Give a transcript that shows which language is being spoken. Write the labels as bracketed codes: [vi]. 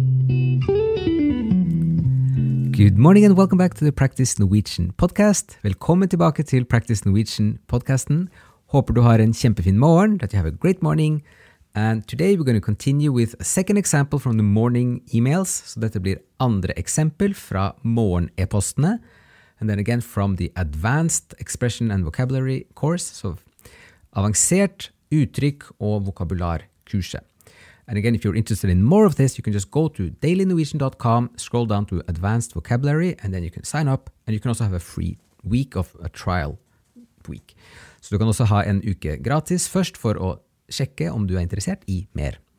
[en] Good morning and welcome back to the Practice Norwegian podcast. [no] Velkommen tilbake til Practice Norwegian podcasten. Håper du har en kjempefin morgen, [en] that you have a great morning. And today we're going to continue with a second example from the morning emails. [no] Så dette blir andre eksempel fra morgen-e-postene. [en] And then again from the Advanced Expression and Vocabulary course. [no] Så avansert uttrykk og vokabularkurset. [en] And again, if you're interested in more of this, you can just go to dailynorwegian.com, scroll down to advanced vocabulary, and then you can sign up. And you can also have a free week of a trial week. [no] Så du kan også ha en uke gratis først for å sjekke om du interessert I mer.